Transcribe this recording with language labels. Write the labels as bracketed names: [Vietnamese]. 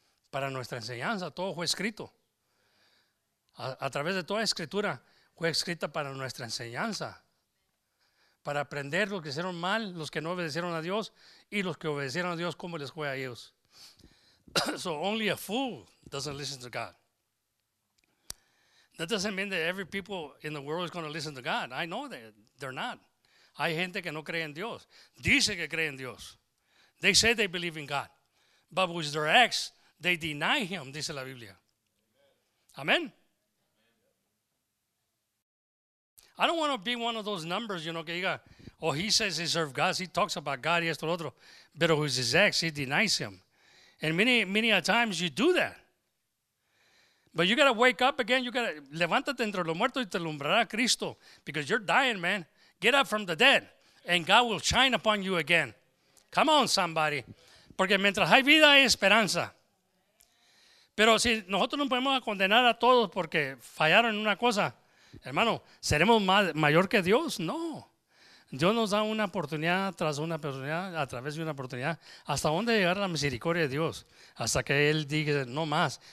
[Spanish] Para nuestra enseñanza, todo fue escrito. A través de toda escritura, fue escrita para nuestra enseñanza. Para aprender lo que hicieron mal, los que no obedecieron a Dios, y los que obedecieron a Dios, ¿cómo les fue a ellos? [English] So only a fool doesn't listen to God. That doesn't mean that every people in the world is going to listen to God. I know that they're not. [Spanish] Hay gente que no cree en Dios. Dice que cree en Dios. [English] They say they believe in God. But with their acts, they deny him, [Spanish] dice la Biblia. [English] Amen. I don't want to be one of those numbers, you know, [Spanish] que diga, [English] oh, he says he serves God, he talks about God, [Spanish] y esto, lo otro, [English] but with his acts, he denies him. And many a times you do that. But you got to wake up again, you got to, [Spanish] levántate entre los muertos y te alumbrará Cristo, [English] because you're dying, man. Get up from the dead, and God will shine upon you again. Come on, somebody. [Spanish] Porque mientras hay vida, hay esperanza. Pero si nosotros no podemos condenar a todos porque fallaron en una cosa, hermano, ¿seremos mayor que Dios? No. Dios nos da una oportunidad tras una oportunidad, a través de una oportunidad. ¿Hasta dónde llegar la misericordia de Dios? Hasta que Él diga no más.